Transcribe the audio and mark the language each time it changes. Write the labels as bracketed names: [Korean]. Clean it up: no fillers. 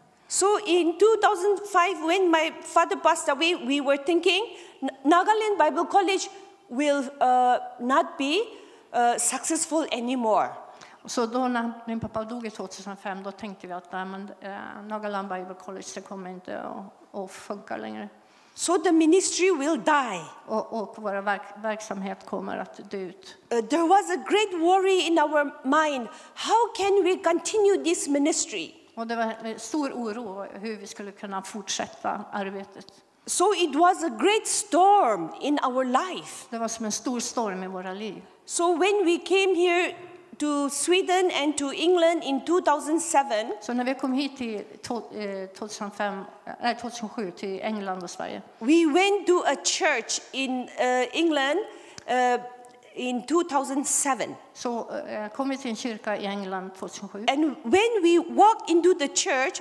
[English] So in 2005, when my father passed away, we were thinking Nagaland Bible College will not be successful anymore. [Swedish] Så då när min pappa dog i 2005, då tänkte vi att Nagaland Bible College kommer inte att funka längre. [English] So the ministry will die. [Swedish] Och vår verksamhet kommer att dö ut. [English] There was a great worry in our mind. How can we continue this ministry? [Swedish] Och det var stor oro hur vi skulle kunna fortsätta arbetet. [English] So it was a great storm in our life. [Swedish] Det var som en stor storm i våra liv. [English] So when we came here to Sweden and to England in 2007. [Swedish] Så när vi kom hit till 2007 till England och Sverige. [English] We went to a church in England in 2007. [Swedish] Så kom vi till en kyrka i England 2007. [English] And when we walked into the church,